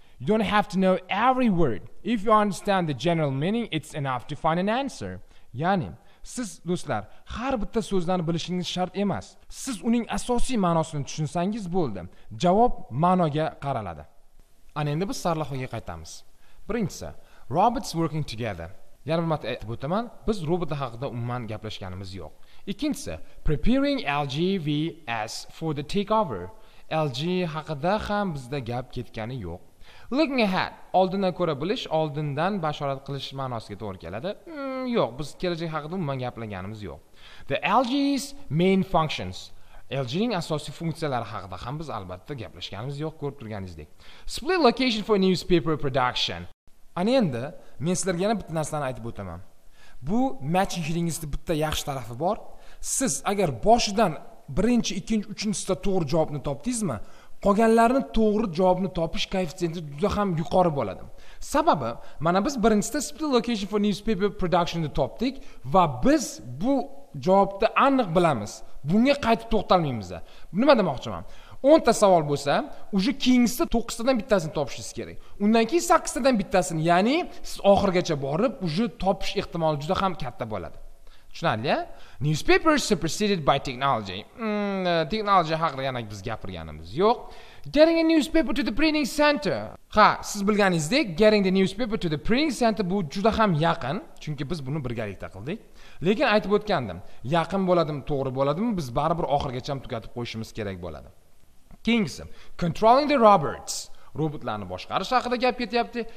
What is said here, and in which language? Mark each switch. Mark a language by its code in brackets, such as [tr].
[en] You don't have to know every word. If you understand the general meaning, it's enough to find an answer. [uz] Ya'ni siz do'stlar, har bitta so'zlarni bilishingiz shart emas. Siz uning asosiy ma'nosini tushunsangiz bo'ldi. Javob ma'noga qaraladi. Ana endi biz sarlavhaga qaytamiz. Birinchisi, [en] robots working together. [uz] Yana bir marta aytib o'taman, biz robot haqida umuman gaplashganimiz yo'q. Ikkinchisi, [en] preparing LGVS for the takeover. [uz] LG haqida ham bizda gap ketgani yo'q. [en] Looking ahead, [uz] oldindan ko'ra bilish, oldindan bashorat qilish ma'nosiga to'g'ri keladi. Yo'q, biz kelajak haqida umuman gaplaganimiz yo'q. [en] The LG's main functions. [uz] LG'ning asosiy funksiyalari haqida ham biz albatta gaplashganimiz yo'q, ko'rib turganingizdek. [en] Split location for newspaper production. [uz] Ana endi men sizlarga yana bitta narsani aytib o'taman. Bu matching hillingizda bitta yaxshi tarafi bor. Siz agar boshidan 1-chi, 2-chi, 3-chi sta to'g'ri javobni topdingizmi? Qolganlarini to'g'ri javobni topish koeffitsiyenti juda ham yuqori bo'ladi. Sababi, mana biz birinchisida [en] split location for newspaper production [uz] ni topdik va biz bu javobni aniq bilamiz. Bunga qaytib to'xtalmaymiz. Nima demoqchiman? 10 ta savol bo'lsa, uji kengisida 9 tadan bittasini topishingiz kerak. Undan keyin 8 tadan bittasini, ya'ni siz oxirgacha borib, uji topish ehtimoli juda ham katta bo'ladi. Tushunarlimi? [en] Newspaper superseded by technology. [uz] Technology haqida yana biz gapirganimiz yo'q. [en] Getting a newspaper to the printing center. [uz] Ha, siz bilganingizdek, [en] getting the newspaper to the printing center [uz] bu juda ham yaqin, chunki biz buni birgalikda qildik. Lekin aytib o'tgandim, yaqin bo'ladimi, to'g'ri bo'ladimi, biz baribir oxirgacha tugatib qo'yishimiz kerak bo'ladi. [en] Kings, controlling the robots. [uz] Robotlarni boshqarish haqida gap ketyapti.